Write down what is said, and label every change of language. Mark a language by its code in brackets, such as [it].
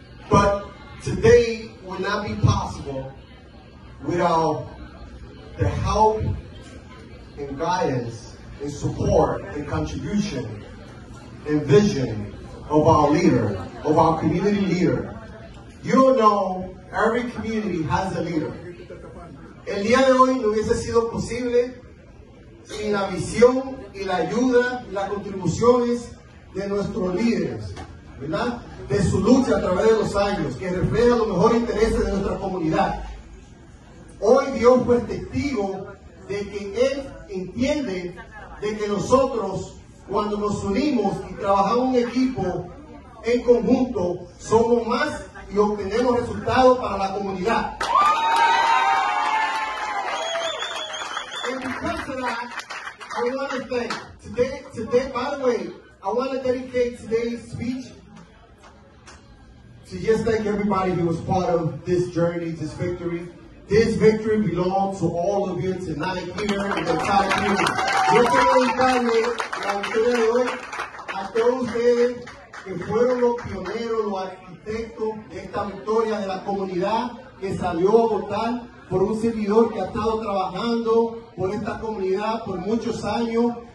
[en] But today will not be possible without the help and guidance and support and contribution and vision of our leader, of our community leader. You know, every community has a leader. [es] El día de hoy no hubiese sido posible sin la visión y la ayuda y las contribuciones de nuestros líderes, ¿verdad? De su lucha a través de los años, que refleja los mejores intereses de nuestra comunidad. Hoy Dios fue testigo de que Él entiende de que nosotros, cuando nos unimos y trabajamos en equipo, en conjunto, somos más y obtenemos resultados para la comunidad. [en] And because of that, I want to thank, today, by the way, I want to dedicate today's speech to just thank everybody who was part of this journey, this victory. This victory belongs to all of you tonight here in the entire community. [es] Yo quiero dedicarle a ustedes de hoy, a todos ustedes que fueron los pioneros, los arquitectos de esta victoria de la comunidad que salió a votar por un servidor que ha estado trabajando por esta comunidad por muchos años.